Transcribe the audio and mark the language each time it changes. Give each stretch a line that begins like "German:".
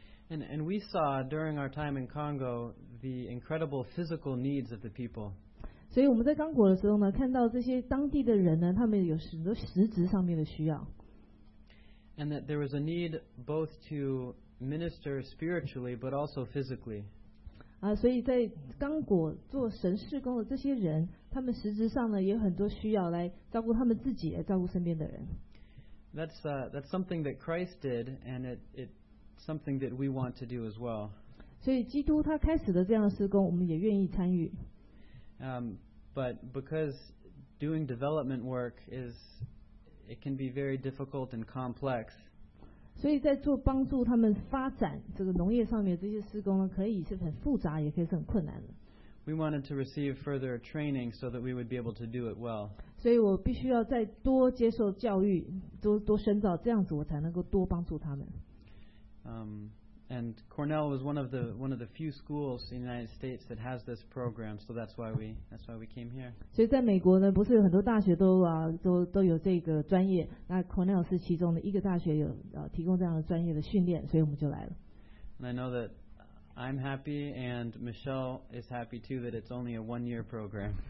English: And we saw during our time in Congo the incredible physical needs of the people.
Chinese: 所以我们在刚果的时候呢，看到这些当地的人呢，他们有很多实质上面的需要。
English: And that there was a need both to minister spiritually but also physically.
Chinese: 所以在刚果做神事工的这些人，他们实质上呢也有很多需要来照顾他们自己，来照顾身边的人。
English: That's something that Christ did, and it. Something that we want to do as well.
Chinese: 所以基督他开始的这样的事工，我们也愿意参与。
English: But because doing development work is, it can be very difficult and complex.
Chinese: 所以在做帮助他们发展这个农业上面这些事工呢，可以是很复杂，也可以是很困难的。
English: We wanted to receive further training so that we would be able to do it well.
Chinese: 所以我必须要再多接受教育，多深造，这样子我才能够多帮助他们。
English: And Cornell was one of the few schools in the United States that has this program, so that's why we came here.
Chinese: 所以在美国呢，不是有很多大学都有这个专业，那 Cornell 是其中的一个大学有提供这样的专业的训练，所以我们就来了。
English: And I know that I'm happy, and Michelle is happy too that it's only a one-year program.